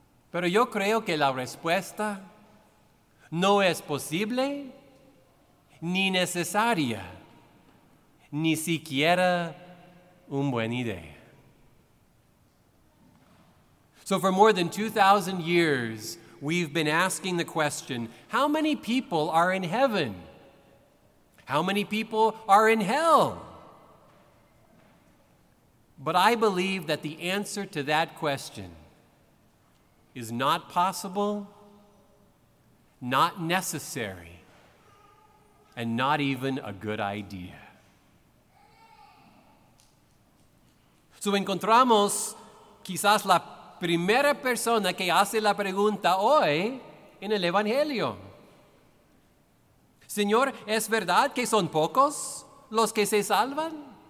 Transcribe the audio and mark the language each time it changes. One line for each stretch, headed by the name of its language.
Spanish: Pero yo creo que la respuesta no es posible, ni necesaria, ni siquiera una buena idea.
English: So for more than 2,000 years, we've been asking the question, how many people are in heaven? How many people are in hell? But I believe that the answer to that question is not possible, not necessary, and not even a good idea.
Spanish: So encontramos quizás la primera persona que hace la pregunta hoy en el Evangelio. Señor, ¿es verdad que son pocos los que se salvan?